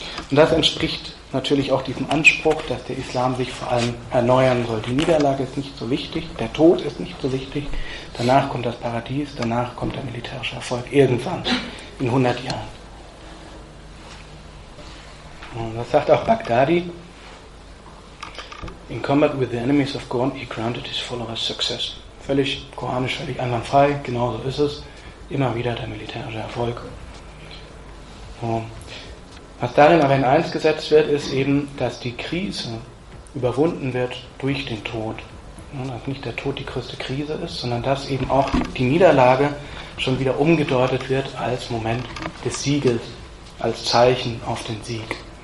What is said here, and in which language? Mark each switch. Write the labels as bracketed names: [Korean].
[German] Und das entspricht natürlich auch diesem Anspruch, dass der Islam sich vor allem erneuern soll. Die Niederlage ist nicht so wichtig, der Tod ist nicht so wichtig, danach kommt das Paradies, danach kommt der militärische Erfolg, irgendwann, in 100 Jahren. Und das sagt auch Baghdadi. [English] In combat with the enemies of God, he granted his followers success. [German] Völlig koranisch, völlig einwandfrei, genauso ist es. Immer wieder der militärische Erfolg. Was darin aber in eins gesetzt wird, ist eben, dass die Krise überwunden wird durch den Tod. Dass nicht der Tod die größte Krise ist, sondern dass eben auch die Niederlage schon wieder umgedeutet wird als Moment des Sieges, als Zeichen auf den Sieg.